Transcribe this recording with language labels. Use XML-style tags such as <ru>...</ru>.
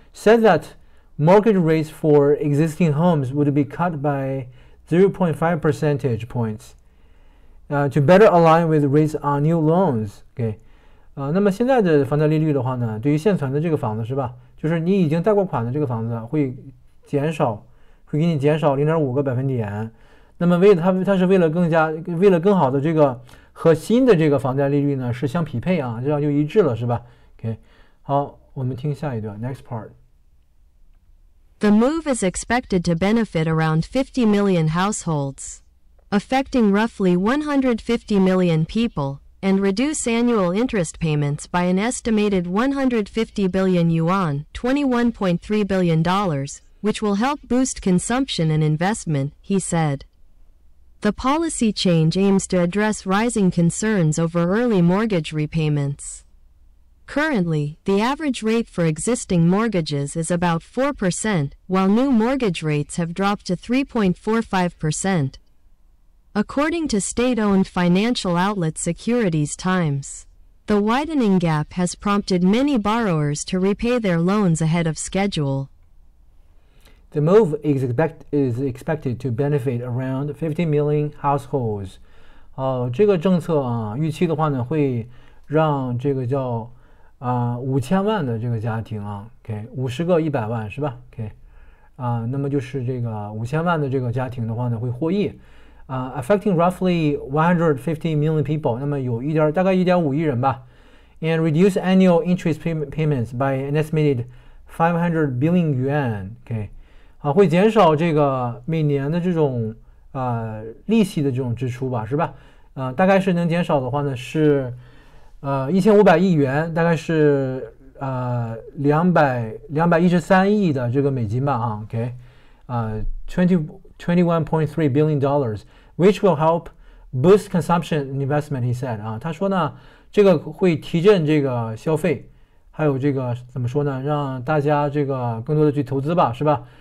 <en>Said that mortgage rates for existing homes would be cut by 0.5 percentage points， to better align with rates on new loans。</en> <zh>Okay， 那么现在的房贷利率的话呢，对于现存的这个房子是吧，就是你已经贷过款的这个房子会减少，会给你减少 0.5 个百分点。那么为它是为了更加为了更好的这个和新的这个房贷利率呢是相匹配啊，这样就一致了是吧。 OK， 好，我们听下一段</zh> <en>next part。 The move is expected to benefit around 50 million households, affecting roughly 150 million people, and reduce annual interest payments by an estimated 150 billion yuan, $21.3 billion, which will help boost consumption and investment, he said. The policy change aims to address rising concerns over early mortgage repayments. Currently, the average rate for existing mortgages is about 4%, while new mortgage rates have dropped to 3.45%. According to state-owned financial outlet Securities Times, the widening gap has prompted many borrowers to repay their loans ahead of schedule. The move is expected to benefit around 50 million households.</en> <zh>这个政策啊，预期的话呢，会让这个叫5000万的这个家庭啊 ，OK， 50个100万是吧 ？OK， 那么就是这个5000万的这个家庭的话呢，会获益。</zh> <en>Affecting roughly 150 million people，</en> <zh>那么有一点大概1.5亿人吧。</zh> <en>And reduce annual interest payments by an estimated 500 billion yuan. OK。</en> <zh>会减少这个每年的这种利息的这种支出吧，是吧？大概是能减少的话呢，是1500亿元，大概是213亿的这个美金吧，啊 ，OK，</zh> <en>21.3 billion dollars， which will help boost consumption and investment， he said，</en> <zh>啊，他说呢，这个会提振这个消费，还有这个怎么说呢，让大家这个更多的去投资吧，是吧？</zh>